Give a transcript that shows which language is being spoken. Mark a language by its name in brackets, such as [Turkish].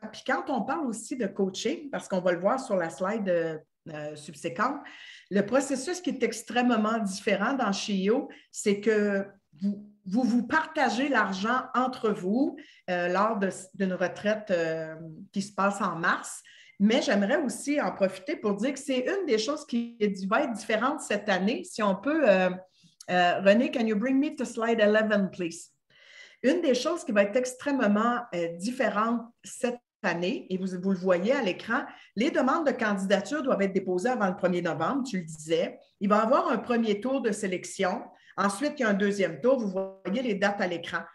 [French] Puis quand on parle aussi de coaching, parce qu'on va le voir sur la slide subséquente, le processus qui est extrêmement différent dans CHIO, c'est que vous partagez l'argent entre vous lors d'une retraite qui se passe en mars. Mais j'aimerais aussi en profiter pour dire que c'est une des choses qui va être différente cette année. Si on peut, [English] René, can you bring me to slide 11, please? [French] Une des choses qui va être extrêmement différente cette année, et vous le voyez à l'écran, les demandes de candidature doivent être déposées avant le 1er novembre, tu le disais. Il va y avoir un premier tour de sélection. Ensuite, il y a un deuxième tour, vous voyez les dates à l'écran.